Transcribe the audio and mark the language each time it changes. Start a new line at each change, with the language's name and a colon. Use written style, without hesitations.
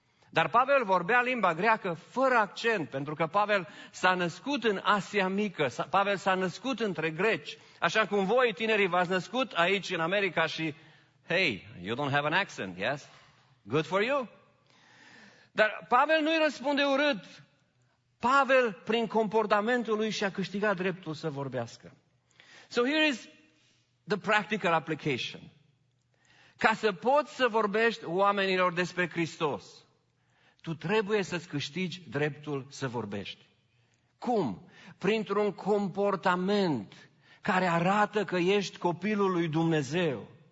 Romanian: Dar Pavel vorbea limba greacă fără accent, pentru că Pavel s-a născut în Asia Mică, Pavel s-a născut între greci, așa cum voi, tinerii, v-ați născut aici în America și,
English: hey, you don't have an accent, yes? Good for you.
Romanian: Dar Pavel nu-i răspunde urât. Pavel, prin comportamentul lui, și-a câștigat dreptul să vorbească.
English: So here is the practical application.
Romanian: Ca să poți să vorbești oamenilor despre Hristos, tu trebuie să-ți câștigi dreptul să vorbești. Cum? Printr-un comportament care arată că ești copilul lui Dumnezeu.